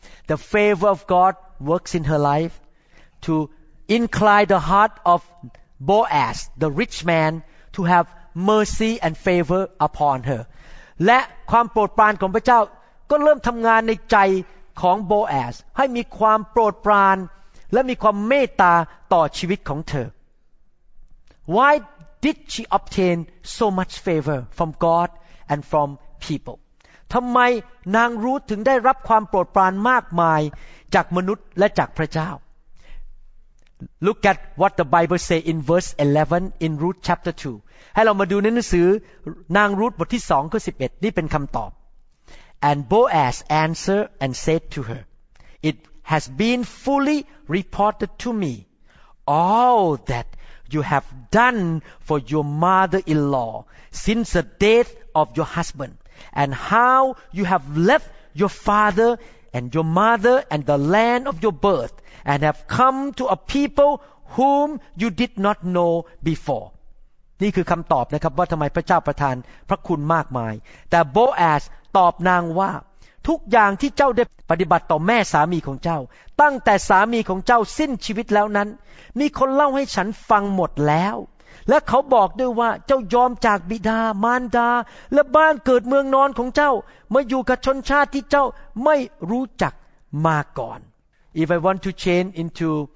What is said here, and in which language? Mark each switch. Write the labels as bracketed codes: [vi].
[en] The favor of God works in her life to incline the heart of Boaz the rich man to have mercy and favor upon her [th] และความโปรดปรานของพระเจ้าก็เริ่มทำงานในใจของโบแอสให้มีความโปรดปรานและมีความเมตตาต่อชีวิตของเธอ [en] Why did she obtain so much favor from God and fromPeople. [th] ทำไมนางรูธถึงได้รับความโปรดปรานมากมายจากมนุษย์และจากพระเจ้า [en] Look at what the Bible say in verse 11 in Ruth chapter 2. [th] ให้เรามาดูในหนังสือนางรูธบทที่2ข้อ11นี่เป็นคำตอบ [en] And Boaz answered and said to her, It has been fully reported to me all that you have done for your mother-in-law since the death of your husbandAnd how you have left your father and your mother and the land of your birth and have come to a people whom you did not know before. [th] นี่คือคำตอบนะครับว่าทำไมพระเจ้าประทานพระคุณมากมายแต่โบแอสตอบนางว่าทุกอย่างที่เจ้าได้ปฏิบัติต่อแม่สามีของเจ้าตั้งแต่สามีของเจ้าสิ้นชีวิตแล้วนั้นมีคนเล่าให้ฉันฟังหมดแล้ว และเขาบอกด้วยว่าเจ้ายอมจากบิดามารดาและบ้านเกิดเมืองนอนของเจ้ามาอยู่กับชนชาติที่เจ้าไม่รู้จักมาก่อน [en] If I want to change into